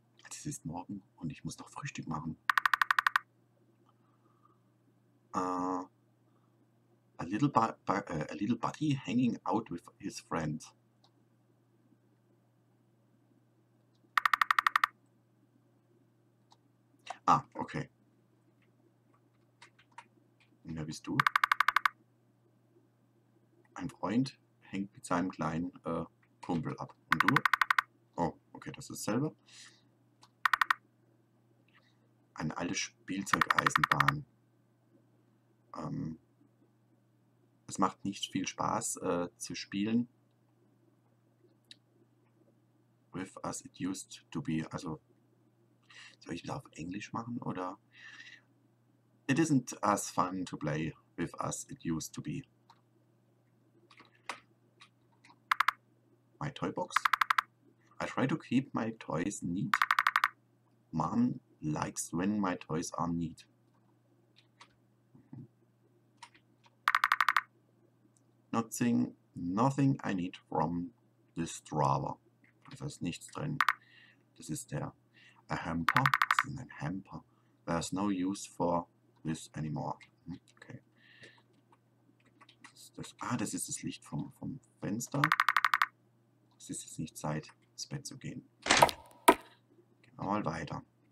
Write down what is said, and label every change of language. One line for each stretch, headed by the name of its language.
German: Es ist morgen und ich muss noch Frühstück machen.
English: A little buddy hanging out with his friend. Ah, okay.
German: Und wer bist du? Ein Freund hängt mit seinem kleinen Kumpel ab. Und du? Oh, okay, das ist dasselbe. Ein altes Spielzeugeisenbahn. Es macht nicht viel Spaß zu spielen.
English: With as it used to be.
German: Also, soll ich das auf Englisch machen oder?
English: It isn't as fun to play with as it used to be. My toy box. I try to keep my toys neat. Mom likes when my toys are neat. Nothing I need from this drawer.
German: Da ist nichts drin. Das ist der a hamper. Das ist ein Hamper.
English: There's no use for this anymore. Okay.
German: Das ist das Licht vom Fenster. Es ist jetzt nicht Zeit, ins Bett zu gehen. Gehen wir mal weiter.